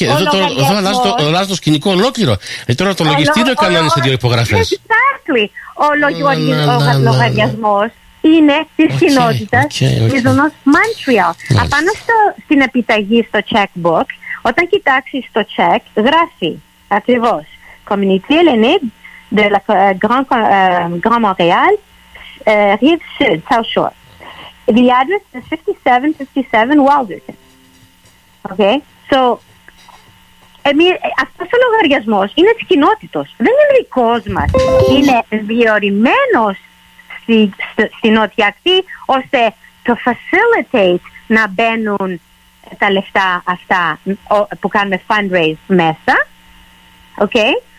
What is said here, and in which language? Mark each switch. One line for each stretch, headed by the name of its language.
Greek: Εδώ αλλάζει το σκηνικό ολόκληρο. Τώρα το λογιστήριο κάνανε σε δύο υπογραφές.
English: Exactly.
Greek: Ο λογαριασμός είναι τη κοινότητα της ζωνός Montreal. Απάνω στην επιταγή στο checkbook, όταν κοιτάξεις το check, γράφει ακριβώς Community Hellenic de la Grand Montréal, Rive Sud, South Shore.
English: The address is 5757 Wilderton.
Greek: Okay, so αυτός ο λογαριασμός είναι της κοινότητας. Δεν είναι δικός μας. Είναι διορισμένος στη νότια ακτή, ώστε το facilitate να μπαίνουν τα λεφτά αυτά που κάνουμε fundraise μέσα. Okay.